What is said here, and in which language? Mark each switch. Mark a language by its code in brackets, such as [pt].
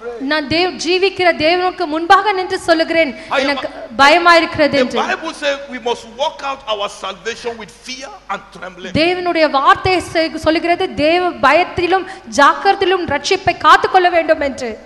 [ta] நான் தேவ ஜீவிக்கிற தேவனுக்கு முன்பாக நின்று சொல்கிறேன் எனக்கு பயமா இருக்கிறது என்று. [en] The Bible says we must walk out our salvation with fear and trembling. [ta] தேவனுடைய வார்த்தை சொல்கிறது தேவ பயத்திலும் ஜாக்கிரதையிலும் இரட்சிப்பை காத்துக்கொள்ள வேண்டும் என்று.